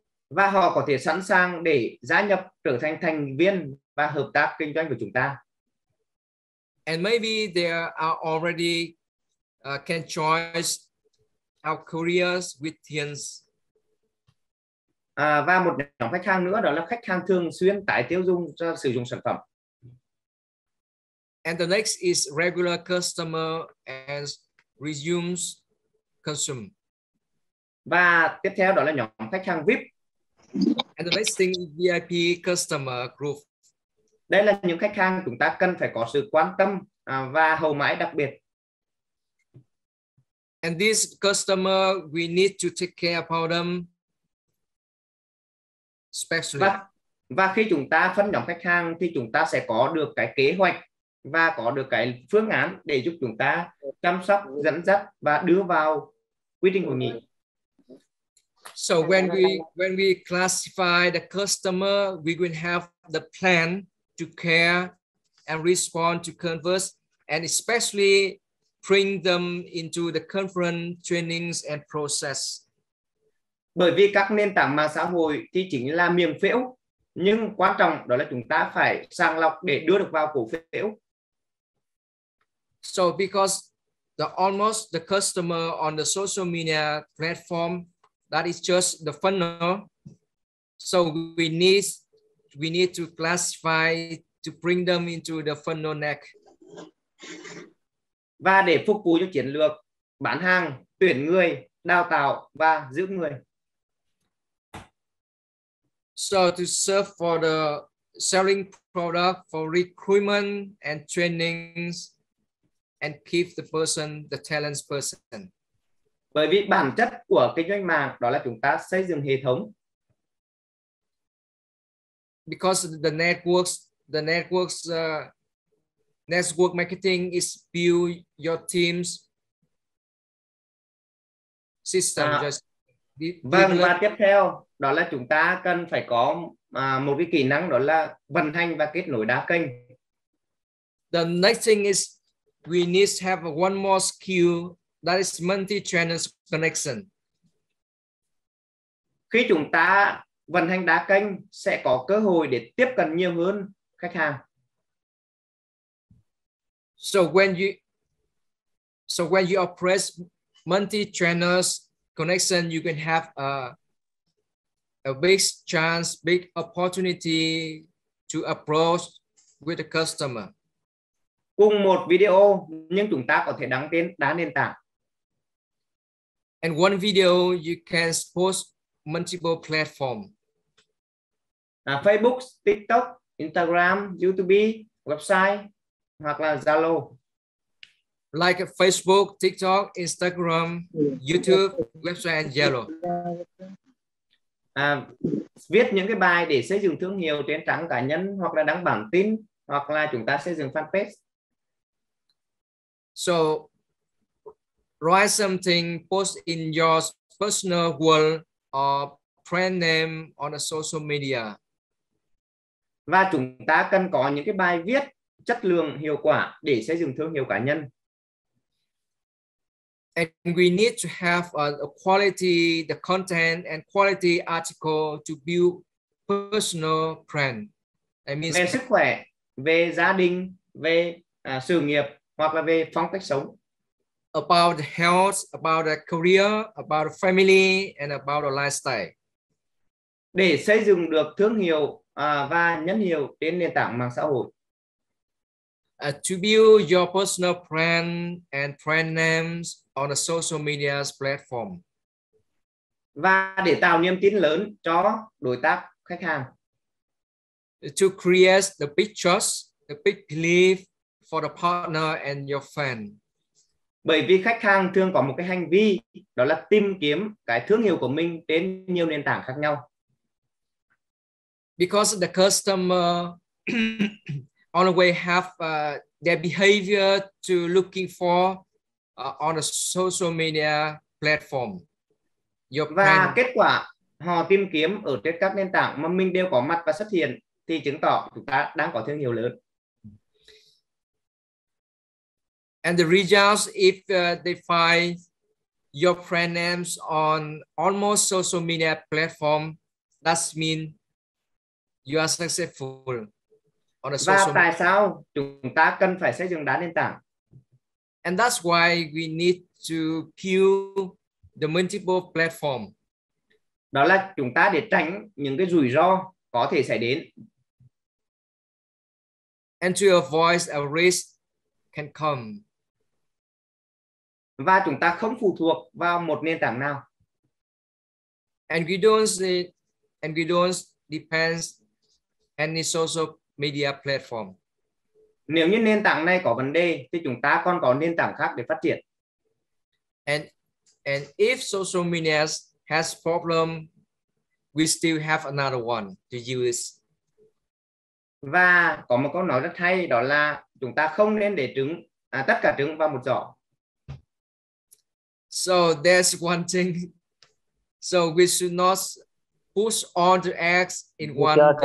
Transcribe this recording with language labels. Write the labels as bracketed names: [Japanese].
[Vietnamese] Và họ có thể sẵn sàng để gia nhập trở thành thành viên và hợp tác kinh doanh của chúng ta. [English] And maybe they are already can join our careers with Tien's. [Vietnamese] Và một nhóm khách hàng nữa đó là khách hàng thường xuyên tái tiêu dùng cho sử dụng sản phẩm. [English] And the next is regular customer and resumes consume. [Vietnamese] Và tiếp theo đó là nhóm khách hàng VIP. [English] And the next thing is VIP customer group. [Vietnamese] Đây là những khách hàng chúng ta cần phải có sự quan tâm và hậu mãi đặc biệt. [English] And this customer, we need to take care about them specially. [Vietnamese] Và khi chúng ta phân nhóm khách hàng thì chúng ta sẽ có được cái kế hoạch và có được cái phương án để giúp chúng ta chăm sóc, dẫn dắt và đưa vào quy trình hội nghị. [English] So when we classify the customer, we will have the plan to care and respond to converse and especially bring them into the conference trainings and process. [Vietnamese] Bởi vì các nền tảng mạng xã hội thì chính là miệng phễu, nhưng quan trọng đó là chúng ta phải sàng lọc để đưa được vào cổ phễu. [English] So because the almost the customer on the social media platform, that is just the funnel. So we need to classify to bring them into the funnel neck. [Vietnamese] Và để phục vụ cho chiến lược bán hàng, tuyển người, đào tạo và giữ người. [English] So to serve for the selling product, for recruitment and trainings, and keep the person, the talent person. [Vietnamese] Bởi vì bản chất của kinh doanh mạng đó là chúng ta xây dựng hệ thống. [English] Because the network marketing is build your team's system. [Vietnamese] Vâng, và tiếp theo đó là chúng ta cần phải có một cái kỹ năng đó là vận hành và kết nối đa kênh. [English] The next thing is we need to have one more skill. That is multi-channel connection. [Vietnamese] Khi chúng ta vận hành đa kênh sẽ có cơ hội để tiếp cận nhiều hơn khách hàng. [English] So when you operate multi-channel connection, you can have a big chance, big opportunity to approach with the customer. [Vietnamese] Cùng một video nhưng chúng ta có thể đăng trên đa nền tảng. [English] And one video you can post multiple platform. [Vietnamese] Facebook, TikTok, Instagram, YouTube, website hoặc là Zalo. [English] Like Facebook, TikTok, Instagram, YouTube, website and Zalo. [Vietnamese] Viết những cái bài để xây dựng thương hiệu trên trang cá nhân hoặc là đăng bản tin hoặc là chúng ta xây dựng fanpage. [English] So write something, post in your personal world or brand name on a social media. [Vietnamese] Và chúng ta cần có những cái bài viết chất lượng hiệu quả để xây dựng thương hiệu cá nhân. [English] And we need to have a quality, the content and quality article to build personal brand. I mean, [Vietnamese] về sức khỏe, về gia đình, về sự nghiệp hoặc là về phong cách sống. [English] About the health, about the career, about the family, and about the lifestyle. [Vietnamese] Để xây dựng được thương hiệu và nhãn hiệu trên nền tảng mạng xã hội. [English] To build your personal brand and brand names on the social media platform. [Vietnamese] Và để tạo niềm tin lớn cho đối tác khách hàng. [English] To create the big trust, the big belief for the partner and your fan. [Vietnamese] Bởi vì khách hàng thường có một cái hành vi đó là tìm kiếm cái thương hiệu của mình trên nhiều nền tảng khác nhau. [English] Because the customer always have their behavior to looking for on a social media platform. [Vietnamese] Và kết quả họ tìm kiếm ở trên các nền tảng mà mình đều có mặt và xuất hiện thì chứng tỏ chúng ta đang có thương hiệu lớn. [English] And the results, if they find your brand names on almost social media platform, that means you are successful on a social [Vietnamese] media. Và tại sao chúng ta cần phải xây dựng đá nền tảng? [English] And that's why we need to build the multiple platform. [Vietnamese] Đó là chúng ta để tránh những cái rủi ro có thể xảy đến. [English] And to avoid a risk can come. [Vietnamese] Và chúng ta không phụ thuộc vào một nền tảng nào. [English] And we don't depend any social media platform. [Vietnamese] Nếu như nền tảng này có vấn đề thì chúng ta còn có nền tảng khác để phát triển. [English] And if social media has problem, we still have another one to use. [Vietnamese] Và có một câu nói rất hay, đó là chúng ta không nên để trứng tất cả trứng vào một giỏ. [English] So that's one thing. So we should not push all the eggs in one.